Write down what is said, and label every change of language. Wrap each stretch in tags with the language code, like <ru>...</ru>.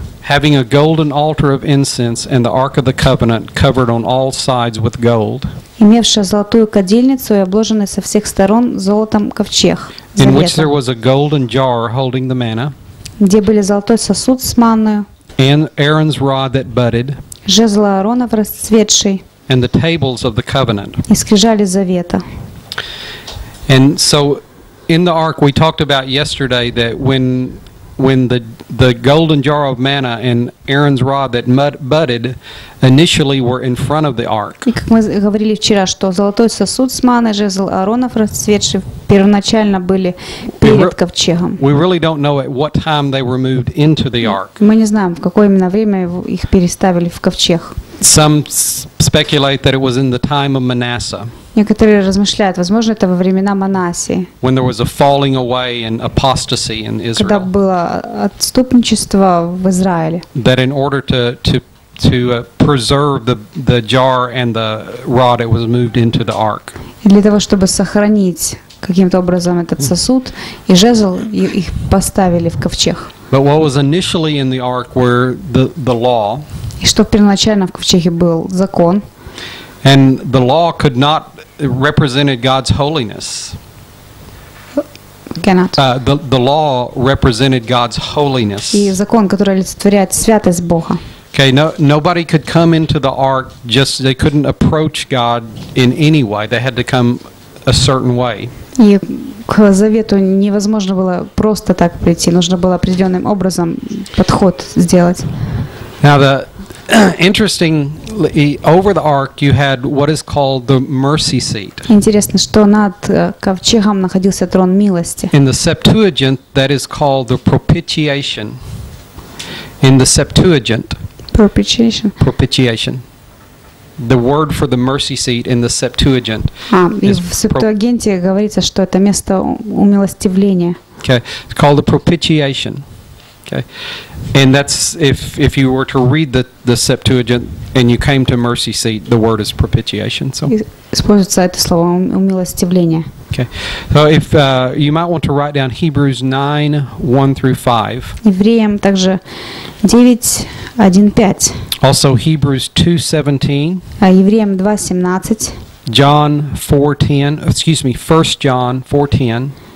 <en>Having a golden altar of incense and the ark of the covenant covered on all sides with gold.</en> <ru>Имевшая золотую кадильницу и обложенный со всех сторон золотом ковчег.</ru> <en>In which there was a golden jar holding the manna.</en> <ru>Где были золотой сосуд с манною.</ru> <en>And Aaron's rod that budded.</en> <ru>Жезл Аарона расцветший.</ru> <en>And the tables of the covenant.</en> <ru>И скрижали завета.</ru> <en>And so in the ark we talked about yesterday that when the golden jar of manna and Aaron's rod that budded initially were in front of the ark.</en> <ru>Как мы говорили вчера, что золотой сосуд с манной, жезл Аарона расцветший, первоначально были перед ковчегом.</ru> <en>We really don't know at what time they were moved into the ark.</en> <ru>Мы не знаем, в какое именно время их переставили в ковчег.</ru> <en>Some speculate that it was in the time of Manasseh.</en> <ru>Некоторые размышляют, возможно, это во времена Манасии.</ru> <en>When there was a falling away and apostasy in Israel.</en> <ru>Когда было отступничество в Израиле.</ru> <en>That in order to preserve the jar and the rod, it was moved into the ark.</en> <ru>И для того, чтобы сохранить каким-то образом этот сосуд и жезл, их поставили в ковчег.</ru> <en>But what was initially in the ark were the law.</en> <ru>И что первоначально в ковчеге был закон.</ru> <en>And the law could not represented God's holiness. Cannot. The law represented God's holiness.</en> <ru>И закон, который олицетворяет святость Бога.</ru> <en>Okay, nobody could come into the ark, just they couldn't approach God in any way. They had to come a certain way.</en> <ru>И к завету невозможно было просто так прийти, нужно было определенным образом подход сделать.</ru> <en>Now the interestingly, over the ark you had what is called the mercy seat.</en> <ru>Интересно, что над ковчегом находился трон милости.</ru> <en>In the Septuagint, that is called the propitiation. In the Septuagint. Propitiation. Propitiation. The word for the mercy seat in the Septuagint.</en> <ru>В Септуагинте говорится, что это место умилостивления.</ru> <en>Okay, it's called the propitiation. Okay. And that's if you were to read the Septuagint and you came to mercy seat, the word is propitiation. So</en> <ru>используется это слово умилостивление.</ru> <en>Okay. So if you might want to write down Hebrews 9:1-5.</en> <ru>Евреям также 9:1-5.</ru> <en>Also Hebrews 2:17.</en> <ru>А Евреям 2:17.</ru> <en>John 4:10. Excuse me, 1 John 4:10.</en>